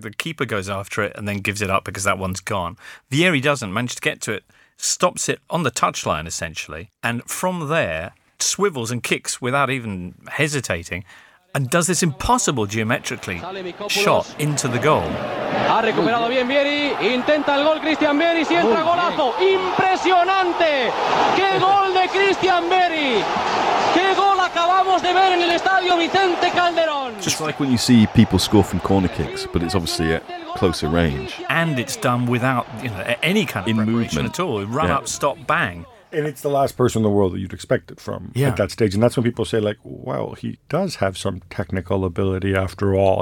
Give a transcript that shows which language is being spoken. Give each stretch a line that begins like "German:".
English: The keeper goes after it and then gives it up because that one's gone. Vieri doesn't manage to get to it. Stops it on the touchline, essentially, and from there, swivels and kicks without even hesitating and does this impossible geometrically shot into the goal.
Spanish: Ha recuperado bien Vieri, intenta el gol Christian Vieri, si entra golazo, impresionante! ¡Qué gol de Christian Vieri! ¡Qué gol acabamos de ver en el Estadio Vicente Calderón.
English: Just like when you see people score from corner kicks, but it's obviously at closer range. And it's done without, you know, any kind of preparation movement at all. Run up, stop, bang. And it's the last person in the world that you'd expect it from at that stage. And that's when people say, like, well, he does have some technical ability after all.